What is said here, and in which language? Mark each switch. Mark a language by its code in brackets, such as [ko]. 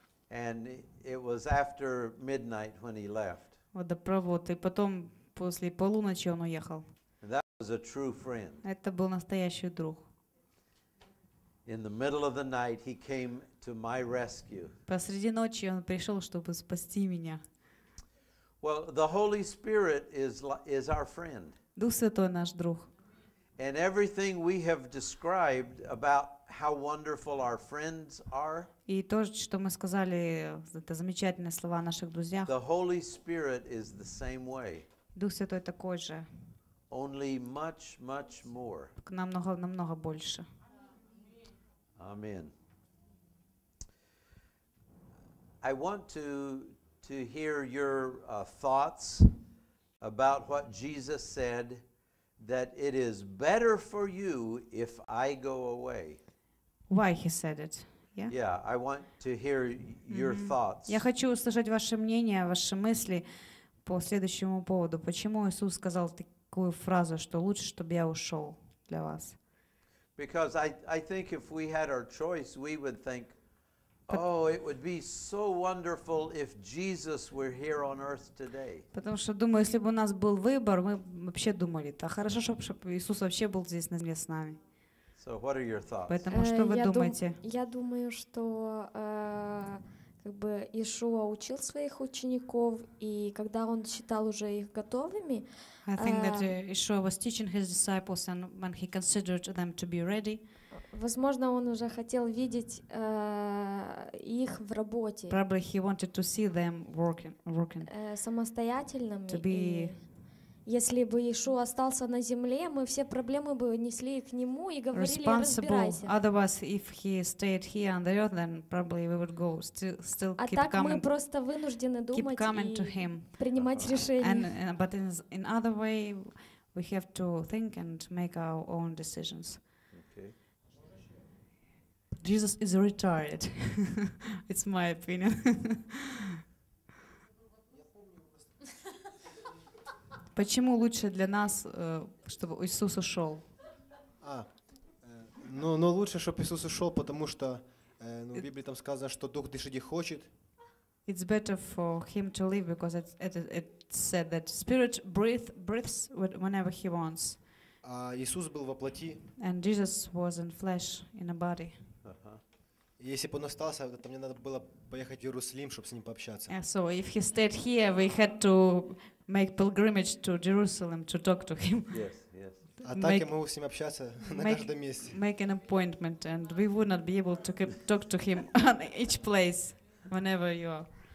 [en] And it was after midnight when he left. [ru] Водопровод, и потом после полуночи он уехал. [en] That was a true friend. [ru] Это был настоящий друг. [en] In the middle of the night, he came to my rescue. [ru] Посреди ночи он пришел, чтобы спасти меня. [en] Well, the Holy Spirit is our friend. [ru] Дух Святой наш друг. [en] And everything we have described about how wonderful our friends are. [ru] И то, что мы сказали, это замечательные слова о наших друзьях. [en] The Holy Spirit is the same way. [ru] Дух Святой такой же. [en] Only much, much more. [ru] Намного, намного больше. [en] Amen. I want to hear your thoughts about what Jesus said, that it is better for you if I go away. Why he said it? Yeah. Yeah, I want to hear your thoughts. [ru] Я хочу услышать ваше мнение, ваши мысли по следующему поводу. Почему Иисус сказал такую фразу, что лучше, чтобы я ушел для вас? [en] Because I think if we had our choice, we would think, oh, it would be so wonderful if Jesus were here on earth today. [ru] Потому что думаю, если бы у нас был выбор, мы вообще думали, так хорошо, чтобы Иисус вообще был здесь на земле с нами. [en] So what are your thoughts? [ru] Поэтому что вы думаете? Я думаю, что как бы Иешуа учил своих учеников, и когда он считал уже их готовыми, [en] I think that Yeshua was teaching his disciples, and when he considered them to be ready, [ru] возможно, он уже хотел видеть их в работе. [en] Probably he wanted to see them working. [ru] Самостоятельными. [en] To be. [ru] Если бы Иешуа остался на земле, мы все проблемы бы несли к нему и говорили: разбирайся. [en] Otherwise, if he stayed here on the earth, then probably we would go still keep coming. [ru] А так мы просто вынуждены думать и принимать решения. [en] But in other way, we have to think and make our own decisions. Jesus is retired. It's my opinion. [ru] Почему лучше для нас, чтобы Иисус ушел? Но лучше, чтобы Иисус ушел, потому что в Библии там сказано, что Дух дышит и хочет. [en] It's better for him to leave because it said that Spirit breathes whenever he wants. [ru] А Иисус был во плоти. [en] And Jesus was in flesh in a body. [ru] Если бы он остался, то мне надо было поехать в Иерусалим, чтобы с ним пообщаться. [en] Yeah, so if he stayed here, we had to make pilgrimage to Jerusalem to talk to him. Yes, yes. [ru] А так я могу с ним общаться на каждом месте. [en] Make an appointment, and we would not be able to talk to him on each place whenever you are.